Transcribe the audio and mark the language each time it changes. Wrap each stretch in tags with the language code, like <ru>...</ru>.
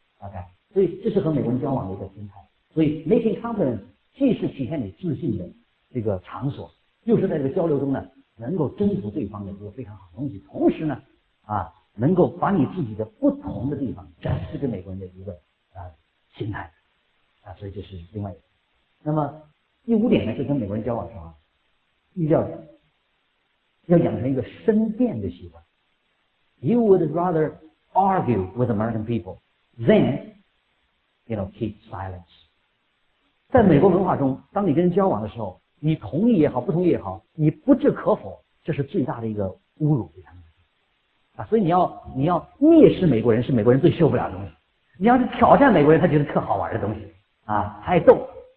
<zh>OK， 所以这是和美国人交往的一个心态。所以</zh> <en>making confidence</en> <zh>既是体现你自信的这个场所，又是在这个交流中呢能够征服对方的一个非常好的东西，同时呢啊能够把你自己的不同的地方展示给美国人的一个心态啊，所以这是另外一个。那么第五点呢，就跟美国人交往的时候一定要养成一个申辩的习惯。</zh> <en>You would rather argue with American people than you know keep silence。</en> <zh>在美国文化中，当你跟人交往的时候，你同意也好，不同意也好，你不置可否，这是最大的一个侮辱给他们啊！所以你要蔑视美国人，是美国人最受不了的东西。你要是挑战美国人，他觉得特好玩的东西啊，他爱逗。</zh>